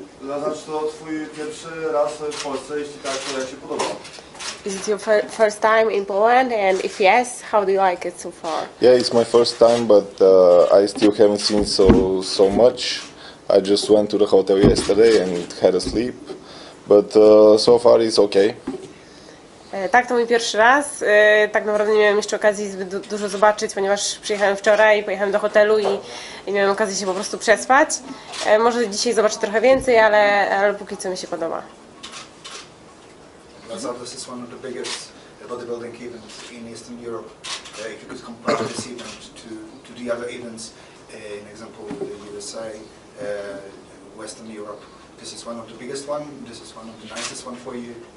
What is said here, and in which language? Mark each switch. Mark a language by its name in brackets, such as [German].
[Polish] Znaczy to twój pierwszy raz w Polsce, jeśli tak, to jak się podoba? [English] Is it your first time in Poland? And if yes, how do you like it so far? Yeah, it's my first time, but I still haven't seen so much. I just went to the hotel yesterday and had a sleep, but so far it's okay. [Polish] Tak, to mój pierwszy raz. Tak naprawdę nie miałem jeszcze okazji zbyt dużo zobaczyć, ponieważ przyjechałem wczoraj, pojechałem do hotelu i miałem okazję się po prostu przespać. Może dzisiaj zobaczę trochę więcej, ale póki co mi się podoba. [English] This is one of the biggest bodybuilding events in Eastern Europe. If you could compare this event to the other events, in example, the USA, Western Europe, this is one of the biggest one. This is one of the nicest one for you.